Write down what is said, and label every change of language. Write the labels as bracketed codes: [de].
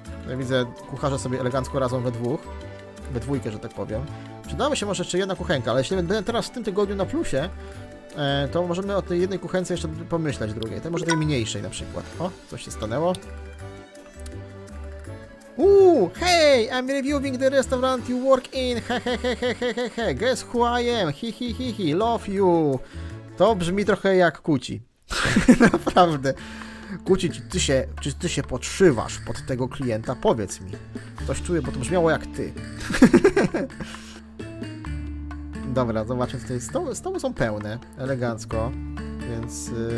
[pl] Ja widzę, kucharze sobie elegancko radzą we dwójkę, że tak powiem. Przydałaby się może jeszcze jedna kuchenka, ale jeśli będę teraz w tym tygodniu na plusie, to możemy o tej jednej kuchence jeszcze pomyśleć, drugiej, tej może tej mniejszej na przykład. O, coś się stanęło. [en] Hey, I'm reviewing the restaurant you work in. He. Guess who I am? He. Love you. [pl] To brzmi trochę jak kuci. Naprawdę. Kuci, czy ty się podszywasz pod tego klienta? Powiedz mi. Coś czuję, bo to brzmiało jak ty. Dobra, zobaczę tutaj. Stoły są pełne. Elegancko. Więc...